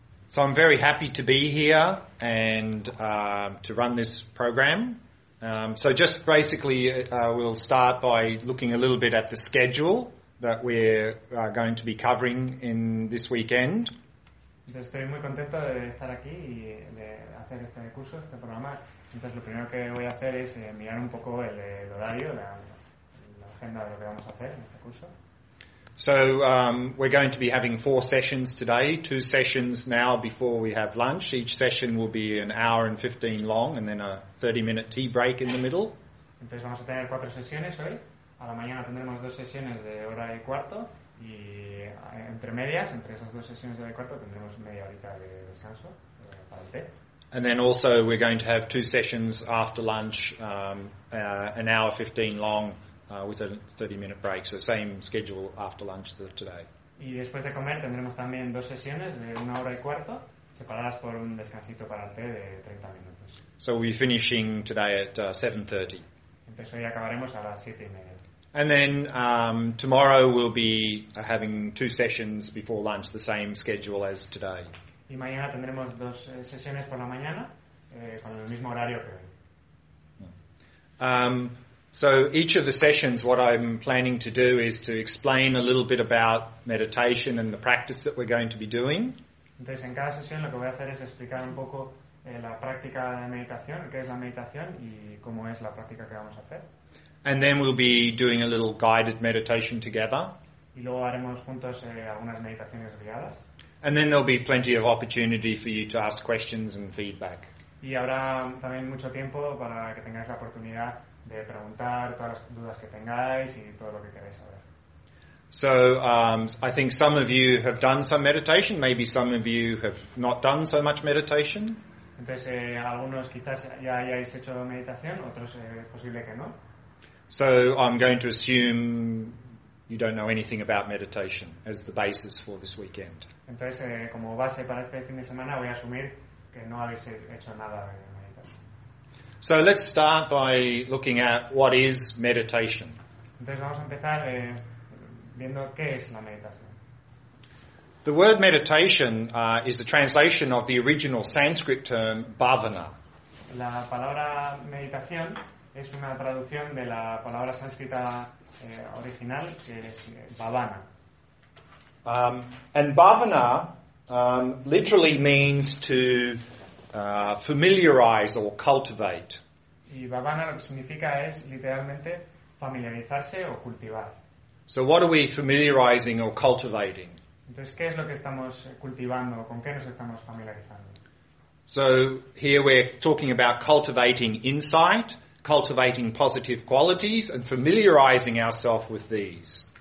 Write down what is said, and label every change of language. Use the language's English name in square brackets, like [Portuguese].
[English] So I'm very happy to be here and to run this program. So just basically we'll start by looking a little bit at the schedule that we're going to be covering in this weekend. [Spanish] Estoy muy contento de estar aquí y de hacer este curso, este programa. Entonces lo primero que voy a hacer es mirar un poco el horario, la agenda de lo que vamos a hacer en este curso. [English] So we're going to be having four sessions today, two sessions now before we have lunch. Each session will be an hour and 15 long and then a 30-minute tea break in the middle. [Spanish] Entonces vamos a tener cuatro sesiones hoy. A la mañana tendremos dos sesiones de hora y cuarto y entre medias, entre esas dos sesiones de hora y cuarto, tendremos media horita de descanso para el té. [English] And then also we're going to have two sessions after lunch, an hour 15 long, with a 30-minute break, so same schedule after lunch today. [Spanish] Y después de comer tendremos también dos sesiones de una hora y cuarto, separadas por un descansito para el té de 30 minutos. [English] So we'll be finishing today at 7:30. [Spanish] Entonces hoy acabaremos a las 7:30. [English] And then tomorrow we'll be having two sessions before lunch, the same schedule as today. [Spanish] Y mañana tendremos dos sesiones por la mañana con el mismo horario que hoy. [English] So each of the sessions, what I'm planning to do is to explain a little bit about meditation and the practice that we're going to be doing. [Spanish] Entonces, en cada sesión lo que voy a hacer es explicar un poco la práctica de meditación, qué es la meditación y cómo es la práctica que vamos a hacer. [English] And then we'll be doing a little guided meditation together. [Spanish] Y luego haremos juntos algunas meditaciones guiadas. [English] And then there'll be plenty of opportunity for you to ask questions and feedback. [Spanish] Y habrá también mucho tiempo para que tengáis la oportunidad de preguntar todas las dudas que tengáis y todo lo que queráis saber. [English] So, I think some of you have done some meditation, maybe some of you have not done so much meditation. [Spanish] Entonces, algunos quizás ya hayáis hecho meditación, otros posible que no. [English] So, I'm going to assume you don't know anything about meditation as the basis for this weekend. [Spanish] Entonces, como base para este fin de semana, voy a asumir que no habéis hecho nada de meditación. [English] So let's start by looking at what is meditation. [Spanish] Entonces vamos a empezar viendo qué es la meditación. [English] The word meditation is the translation of the original Sanskrit term bhavana. [Spanish] La palabra meditación es una traducción de la palabra sánscrita original que es bhavana. [English] And bhavana literally means to familiarize or cultivate. [Spanish] Y bhavana lo que significa es literalmente familiarizarse o cultivar. [English] So what are we familiarizing or cultivating? [Spanish] Entonces, ¿qué es lo que estamos cultivando? ¿Con qué nos estamos familiarizando? [English] So here we're talking about cultivating insight, cultivating positive qualities, and familiarizing ourselves with these.